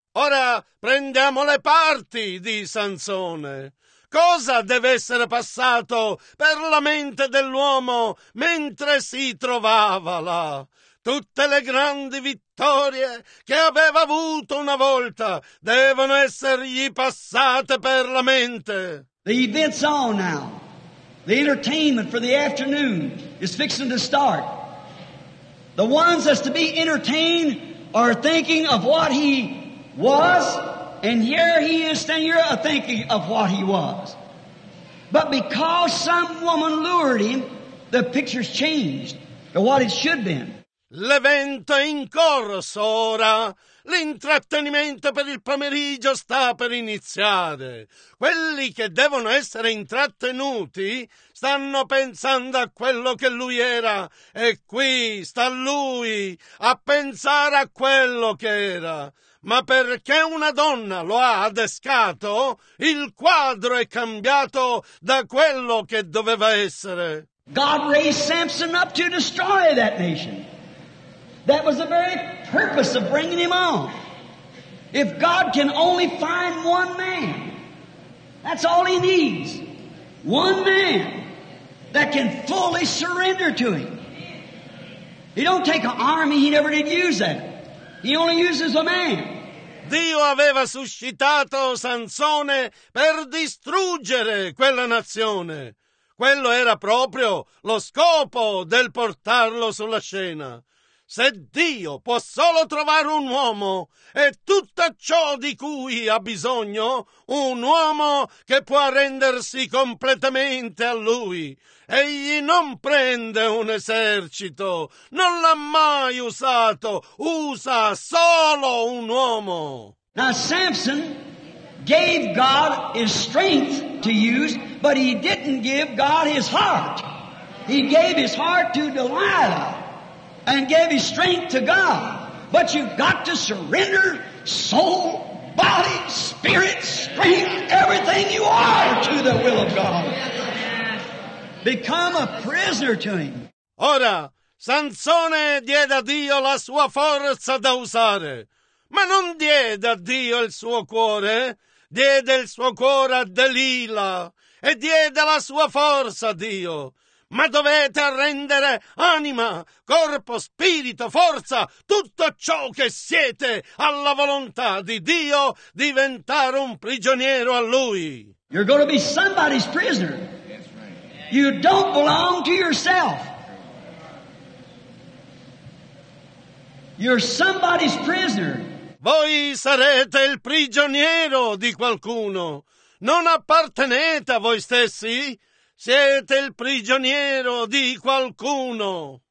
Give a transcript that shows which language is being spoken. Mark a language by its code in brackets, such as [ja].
[it] Ora prendiamo le parti di Sansone. Cosa deve essere passato per la mente dell'uomo mentre si trovava là? Tutte le grandi vittorie che aveva avuto una volta devono essergli passate per la mente. [en] The events on now. The entertainment for the afternoon is fixing to start. The ones that's to be entertained are thinking of what he was, and here he is standing here thinking of what he was. But because some woman lured him, the picture's changed to what it should have been. [it] L'evento è in corso ora. L'intrattenimento per il pomeriggio sta per iniziare. Quelli che devono essere intrattenuti stanno pensando a quello che lui era. E qui sta lui a pensare a quello che era. Ma perché una donna lo ha adescato, il quadro è cambiato da quello che doveva essere. [en] God raised Samson up to destroy that nation. That was the very purpose of bringing him on. If God can only find one man, that's all he needs. One man that can fully surrender to him. He don't take an army, he never did use that. He only uses a man. [it] Dio aveva suscitato Sansone per distruggere quella nazione. Quello era proprio lo scopo del portarlo sulla scena. se Dio può solo trovare un uomo, è tutto ciò di cui ha bisogno, un uomo che può arrendersi completamente a lui. Egli non prende un esercito, non l'ha mai usato, usa solo un uomo. [en] Now Samson gave God his strength to use, but he didn't give God his heart. He gave his heart to Delilah and gave his strength to God. But you've got to surrender soul, body, spirit, strength, everything you are to the will of God. Become a prisoner to him. [it] Ora, Sansone diede a Dio la sua forza da usare, ma non diede a Dio il suo cuore. Diede il suo cuore a Delila e diede la sua forza a Dio. Ma dovete arrendere anima, corpo, spirito, forza, tutto ciò che siete alla volontà di Dio, diventare un prigioniero a Lui. [en] You're going to be somebody's prisoner. You don't belong to yourself. You're somebody's prisoner. [it] Voi sarete il prigioniero di qualcuno. Non appartenete a voi stessi. Siete il prigioniero di qualcuno.